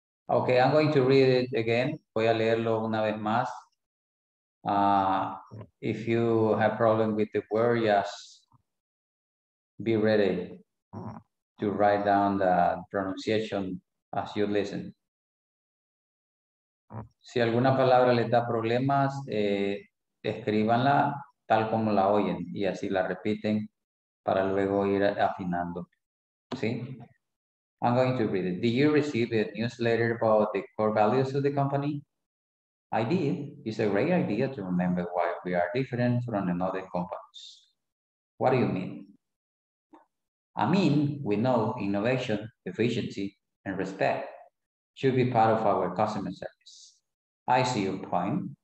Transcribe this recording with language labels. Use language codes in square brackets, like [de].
[en] Okay, I'm going to read it again. [es] Voy a leerlo una vez más. [en] If you have problem with the word, just be ready to write down the pronunciation as you listen. [es] Si alguna palabra les da problemas, escríbanla tal como la oyen y así la repiten, para luego ir afinando. [en] ¿Sí? I'm going to read it. Did you receive a newsletter about the core values of the company? I did. It's a great idea to remember why we are different from other companies. What do you mean? I mean, we know innovation, efficiency, and respect should be part of our customer service. I see your point.